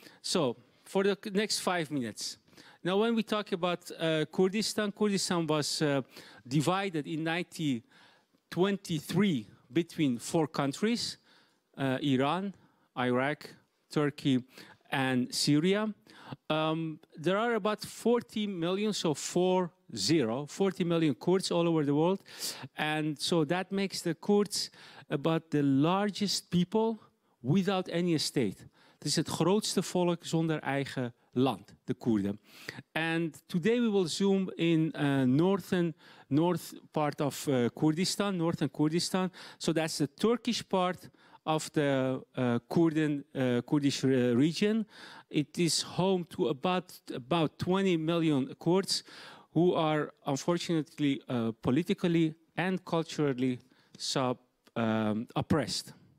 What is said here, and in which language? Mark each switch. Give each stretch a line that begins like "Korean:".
English: So, for the next 5 minutes. Now, when we talk about Kurdistan was divided in 1923 between four countries, Iran, Iraq, Turkey, and Syria. There are about 40 million, so 40 million Kurds all over the world. And so that makes the Kurds about the largest people without any state.
Dutch: Het is het grootste volk zonder eigen land, de Koerden.
English: And today we will zoom in northern part of Kurdistan, northern Kurdistan. So that's the Turkish part of the Kurdish region. It is home to about 20 million Kurds who are unfortunately politically and culturally oppressed.